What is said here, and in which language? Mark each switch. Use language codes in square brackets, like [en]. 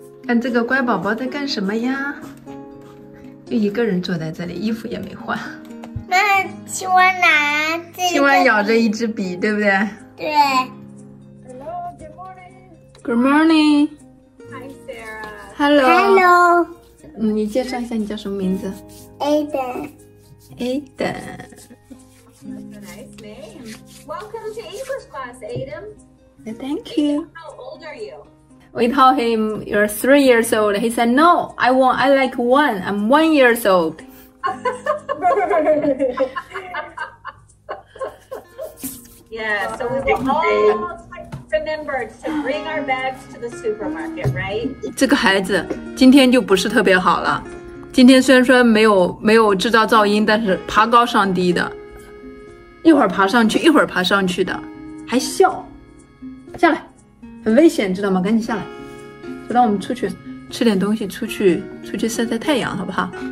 [zh] 看这个乖宝宝在干什么呀，就一个人坐在这里，衣服也没换。那青蛙拿这个青蛙咬着一支笔，对不对？对。 [en] Hello, good morning. Good morning. Hi Sarah. Hello. Hello. [zh] 你介绍一下你叫什么名字？ [en] Aiden. Aiden. That's a nice name. Welcome to English class, Aiden. Thank you. How old are you? We told him, you're 3 years old. He said, no, I like one. I'm 1 year old. Yeah, so we all remembered to bring our bags to the supermarket, right? [zh] 这个孩子今天就不是特别好了。今天虽然说没有制造噪音，但是爬高上低的，一会儿爬上去，一会儿爬上去的，还笑，下来，很危险，知道吗？赶紧下来，走，让我们出去吃点东西，出去晒晒太阳，好不好？